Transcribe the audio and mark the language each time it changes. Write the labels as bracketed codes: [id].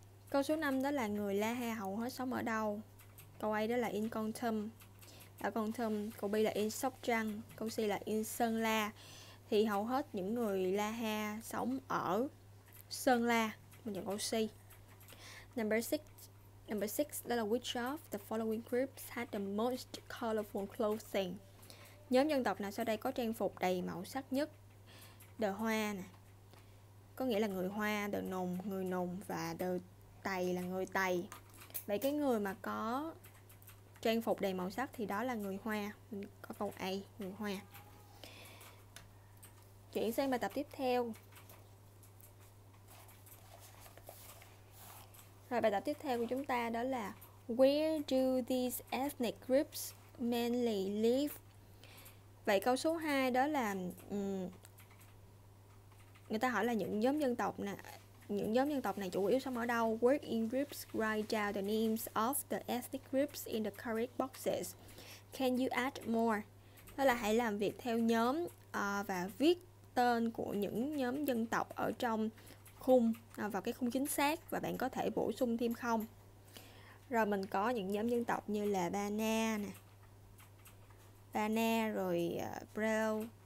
[vi] Câu số 5 đó là người Laha hầu hết sống ở đâu? Câu A đó là in Kon Tum, ở Kon Tum. Câu B là in Sóc Trăng, câu C là in Sơn La. Thì hầu hết những người La Ha sống ở Sơn La. Mình chọn câu C. [en] Number 6 [vi] đó là [en] which of the following groups had the most colorful clothing? [vi] Nhóm dân tộc nào sau đây có trang phục đầy màu sắc nhất? The Hoa nè, có nghĩa là người Hoa, the Nùng, người Nùng, và the Tày là người Tày. Vậy cái người mà có trang phục đầy màu sắc thì đó là người Hoa. Mình có câu A, người Hoa. Chuyển sang bài tập tiếp theo. Rồi, bài tập tiếp theo của chúng ta đó là [en] where do these ethnic groups mainly live? [vi] Vậy câu số 2 đó là người ta hỏi là những nhóm dân tộc này chủ yếu sống ở đâu? [en] Work in groups, write down the names of the ethnic groups in the correct boxes. Can you add more? [vi] Đó là hãy làm việc theo nhóm và viết tên của những nhóm dân tộc ở trong khung vào cái khung chính xác, và bạn có thể bổ sung thêm không. Rồi mình có những nhóm dân tộc như là Bana, rồi Brao.